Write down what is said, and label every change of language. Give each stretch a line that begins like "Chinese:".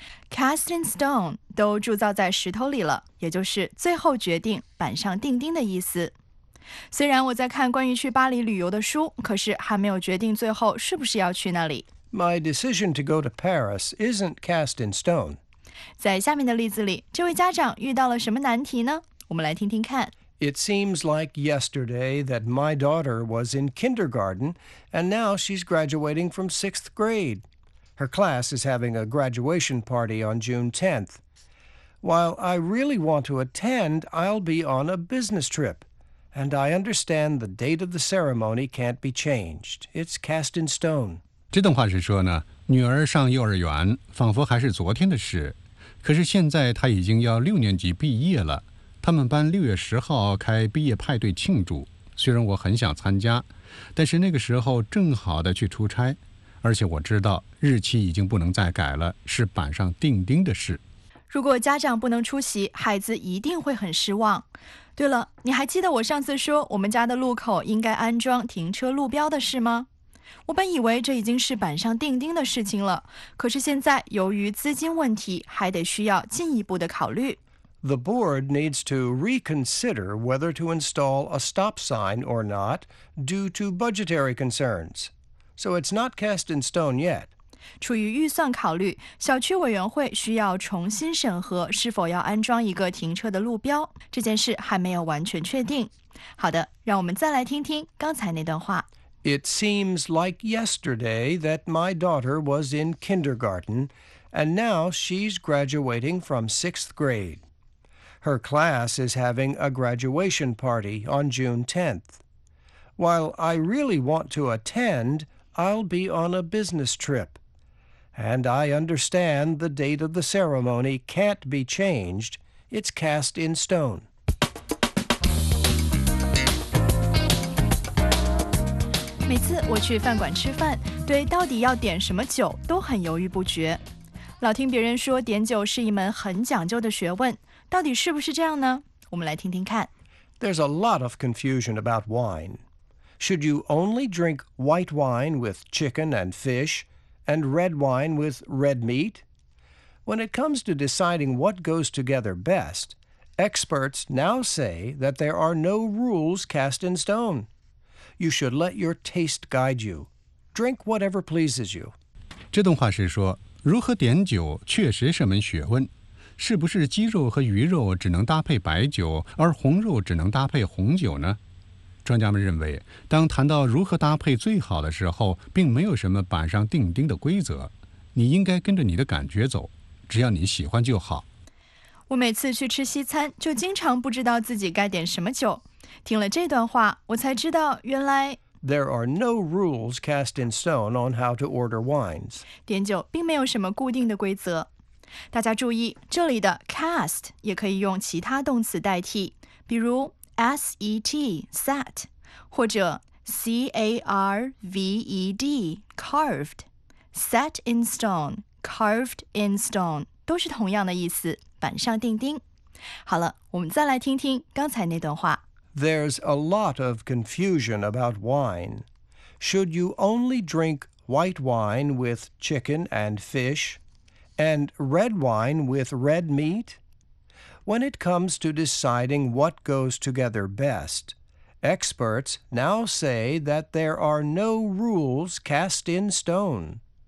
English: Cast in stone
Chinese: 都铸造在石头里了，也就是最后决定、板上钉钉的意思。虽然我在看关于去巴黎旅游的书，可是还没有决定最后是不是要去那里。
English: My decision to go to Paris isn't cast in stone.
Chinese: 在下面的例子里，这位家长遇到了什么难题呢？我们来听听看。
English: It seems like yesterday that my daughter was in kindergarten, and now she's graduating from sixth grade. Her class is having a graduation party on June 10th. While I really want to attend, I'll be on a business trip. And I understand the date of the ceremony can't be changed. It's cast in stone.
Chinese: 这段话是说呢，女儿上幼儿园仿佛还是昨天的事，可是现在她已经要六年级毕业了。他们班六月十号开毕业派对庆祝，虽然我很想参加，但是那个时候正好的去出差，而且我知道日期已经不能再改了，是板上钉钉的事。如果家长不能出席，孩子一定会很失望。对了，你还记得我上次说我们家的路口应该安装停车路标的事吗？我本以为这已经是板上钉钉的事情了，可是现在由于资金问题，还得需要进一步的考虑。
English: The board needs to reconsider whether to install a stop sign or not due to budgetary concerns. So it's not cast in stone yet.
Chinese: 出于预算考虑，小区委员会需要重新审核是否要安装一个停车的路标，这件事还没有完全确定。好的，让我们再来听听刚才那段话。
English: It seems like yesterday that my daughter was in kindergarten, and now she's graduating from sixth grade. Her class is having a graduation party on June 10th. While I really want to attend, I'll be on a business trip. And I understand the date of the ceremony can't be changed. It's cast in stone. Every time I go to a restaurant,
Chinese: 对到底要点什么酒都很犹豫不决。老听别人说点酒是一门很讲究的学问，到底是不是这样呢？我们来听听看。
English: There's a lot of confusion about wine. Should you only drink white wine with chicken and fish, and red wine with red meat? When it comes to deciding what goes together best, experts now say that there are no rules cast in stone. You should let your taste guide you. Drink whatever pleases you.
Chinese: 这段话是说，如何点酒确实是门学问。是不是鸡肉和鱼肉只能搭配白酒，而红肉只能搭配红酒呢？专家们认为，当谈到如何搭配最好的时候，并没有什么板上钉钉的规则。你应该跟着你的感觉走，只要你喜欢就好。我每次去吃西餐，就经常不知道自己该点什么酒。听了这段话，我才知道原来
English: There are no rules cast in stone on how to order wines.
Chinese: 点酒并没有什么固定的规则。大家注意，这里的 cast 也可以用其他动词代替，比如 set, set, 或者 carved, carved.
English: Set in stone, carved in stone,
Chinese: 都是同样的意思，板上钉钉。好了，我们再来听听刚才那段话。
English: There's a lot of confusion about wine. Should you only drink white wine with chicken and fish, and red wine with red meat? When it comes to deciding what goes together best, experts now say that there are no rules cast in stone.